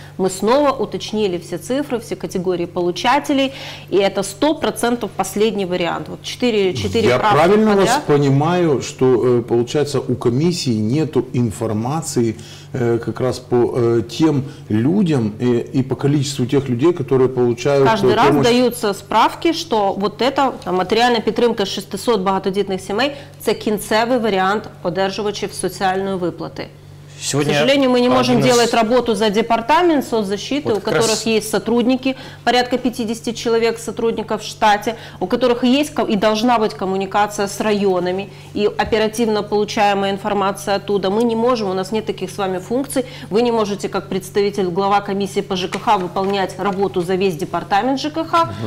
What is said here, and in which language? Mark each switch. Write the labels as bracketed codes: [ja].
[ru] Мы снова уточнили все цифры, все категории получателей. И это 100% последний вариант. Вот 4 Я правки правильно подряд. Вас понимаю, что получается у комиссии нету информации, как раз по тем людям и по количеству тех людей, которые получают каждый помощь. Каждый раз даются справки, что вот это [uk] матеріальна підтримка 600 багатодітних сімей – це кінцевий варіант одержувачів соціальної виплати. [ru] Сегодня, к сожалению, мы не можем делать работу за департамент соцзащиты, вот у которых есть сотрудники, порядка 50 человек сотрудников в штате, у которых есть и должна быть коммуникация с районами и оперативно получаемая информация оттуда. Мы не можем, у нас нет таких с вами функций. Вы не можете, как представитель, глава комиссии по ЖКХ, выполнять работу за весь департамент ЖКХ.